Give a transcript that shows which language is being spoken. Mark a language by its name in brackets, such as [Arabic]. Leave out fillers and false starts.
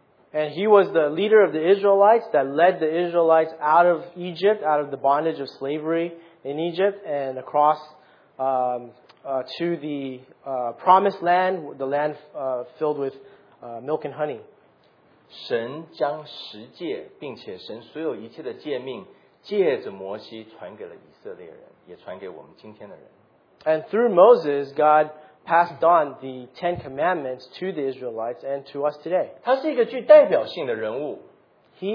[English] And he was the leader of the Israelites that led the Israelites out of Egypt, out of the bondage of slavery in Egypt, and across to the promised land, the land filled with milk and honey. [Chinese] 神将十诫，并且神所有一切的诫命，借着摩西传给了以色列人，也传给我们今天的人。 [English] And through Moses, God passed on the Ten Commandments to the Israelites and to us today. [Chinese] 他是一个具代表性的人物。 [English] He